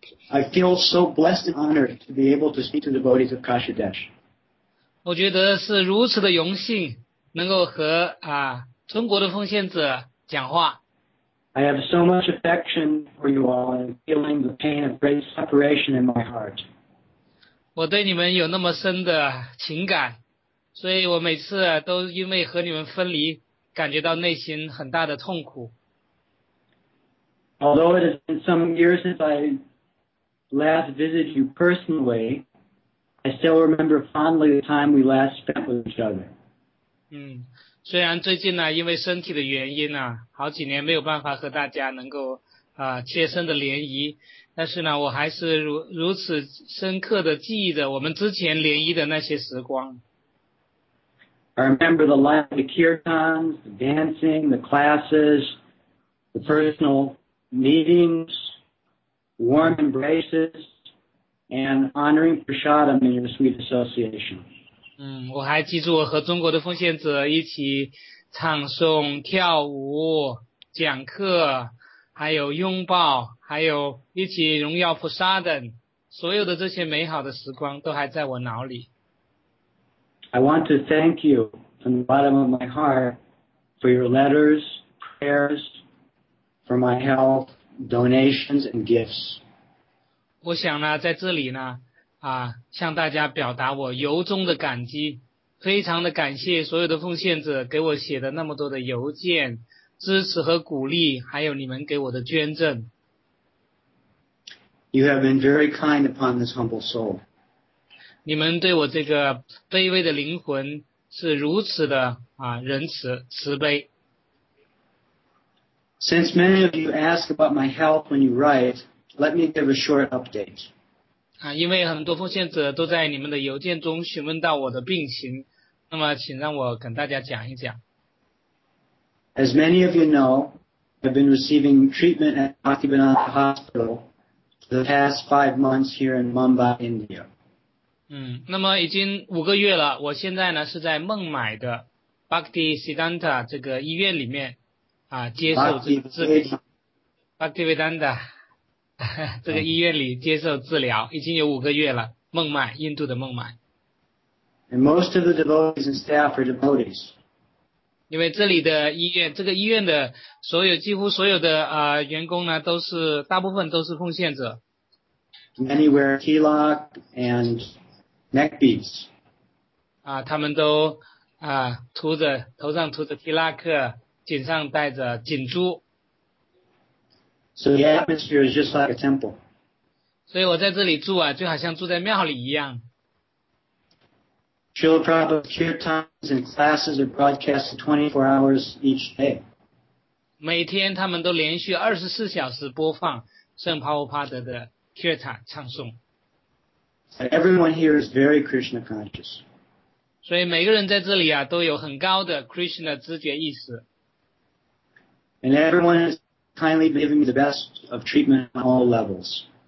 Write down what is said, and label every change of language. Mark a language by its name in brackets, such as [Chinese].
[English] I feel so blessed and honored to be able to speak to devotees of Kashidesh。 [Chinese] 我觉得是如此的荣幸能够和中国的奉献者讲话。 [English] I have so much affection for you all and feeling the pain of great separation in my heart。 [Chinese] 我对你们有那么深的情感，所以我每次都因为和你们分离感觉到内心很大的痛苦。 [English] Although it has been some years since I last visited you personally, I still remember fondly the time we last spent with each other。 [Chinese] 虽然最近呢，因为身体的原因呢，好几年没有办法和大家能够切身的联谊，但是呢，我还是如此深刻的记忆着我们之前联谊的那些时光。 [English] I remember the light, the kirtans, the dancing, the classes, the personal meetings, warm embraces, and honoring prasadam in your sweet association。 [Chinese] 我还记住我和中国的奉献者一起唱诵、跳舞、讲课，还有拥抱，还有一起荣耀菩萨等，所有的这些美好的时光都还在我脑里。 [English] I want to thank you from the bottom of my heart for your letters, prayers, for my health, donations, and gifts。 [Chinese] 我想呢，在这里呢，向大家表达我由衷的感激，非常的感谢所有的奉献者给我写的那么多的邮件支持和鼓励，还有你们给我的捐赠。 [English] You have been very kind upon this humble soul。 [Chinese] 你们对我这个卑微的灵魂是如此的仁慈慈悲。 [English] Since many of you ask about my health when you write, let me give a short update。 [Chinese] 因为很多奉献者都在你们的邮件中询问到我的病情，那么请让我跟大家讲一讲。 [English] As many of you know, I've been receiving treatment at Bhaktivedanta Hospital for the past 5 months here in Mumbai, India。 [Chinese] 那么已经五个月了，我现在呢是在孟买的 Bhaktisiddhanta 这个医院里面接受这个治疗。 [English] Bhaktivedanta。 [Chinese] 这个医院里接受治疗已经有五个月了，孟买，印度的孟买。 [English] And most of the devotees and staff are devotees。 [Chinese] 因为这里的医院，这个医院的所有几乎所有的员工呢，都是大部分都是奉献者。 [English] Many wear tilak and neck beads。 [Chinese] 他们都涂着头上涂着 tilak， 颈上戴着颈珠。 [English] So the atmosphere is just like a temple。 [Chinese] 所以我在这里住就好像住在庙里一样。 [English] Srila Prabhupada's kirtans and classes are broadcast 24 hours each day。 [Chinese] 每天他们都连续24小时播放圣帕乌帕德的 kirtan 唱诵。 [English] Everyone here is very Krishna conscious。 [Chinese] 所以每个人在这里都有很高的 Krishna 知觉意识。 [English] And everyone is kindly giving me the best of treatment on all levels。